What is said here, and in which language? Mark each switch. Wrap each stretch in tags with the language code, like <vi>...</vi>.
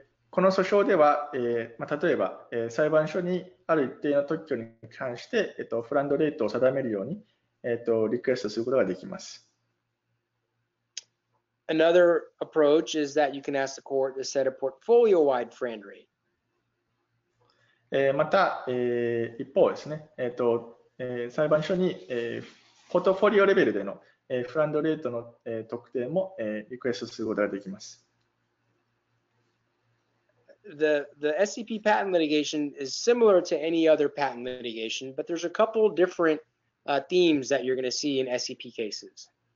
<ja>この訴訟では、例えば、裁判所にある一定の特許に関して、フランドレートを定めるように、リクエストすることができます。</ja> <en>Another approach is that you can ask the court to set a portfolio-wide FRAND rate.</en> <ja>また、一方ですね、裁判所に、ポートフォリオレベルでの、フランドレートの、特定も、リクエストすることができます。</ja> <en>The SCP patent litigation is similar to any other patent litigation, but there's a couple different themes that you're going to see in SCP cases.</en>